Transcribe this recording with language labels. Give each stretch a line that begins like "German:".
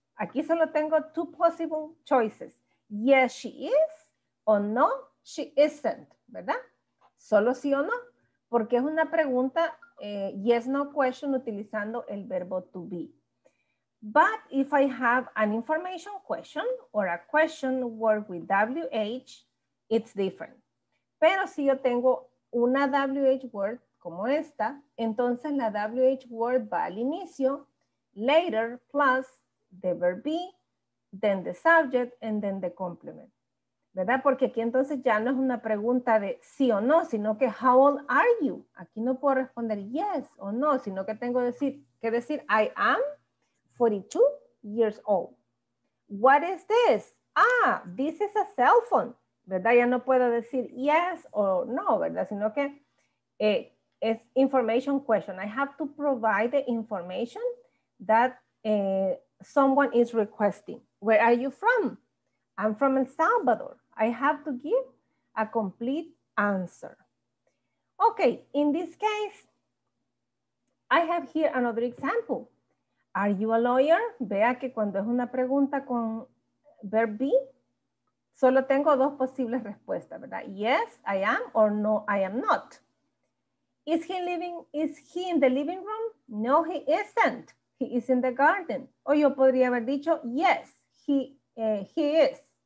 Spanish: Aquí solo tengo
English: two possible choices. Yes, she is, o no, she isn't, ¿verdad?
Spanish: Solo sí o no, porque es una pregunta,
English: yes, no question,
Spanish: utilizando el verbo to be.
English: But if I have an information question or a question word with WH, it's different.
Spanish: Pero si yo tengo una WH word como esta, entonces la WH word va al inicio,
English: later plus the verb be, then the subject, and then the complement.
Spanish: ¿Verdad? Porque aquí entonces ya no es una pregunta de sí o no, sino que
English: how old are you?
Spanish: Aquí no puedo responder yes o no, sino que tengo que decir
English: I am 42 years old. What is this? Ah, this is a cell phone. ¿Verdad?
Spanish: Ya no puedo decir yes o no, ¿verdad? Sino que es information question.
English: I have to provide the information that someone is requesting. Where are you from? I'm from El Salvador. I have to give a complete answer. Okay, in this case, I have here another example. Are you a lawyer?
Spanish: Vea que cuando es una pregunta con verb be, solo tengo dos posibles respuestas, ¿verdad?
English: Yes, I am, or no, I am not. Is he in the living room? No, he isn't. He is in the garden.
Spanish: O yo podría haber dicho,
English: yes, he is.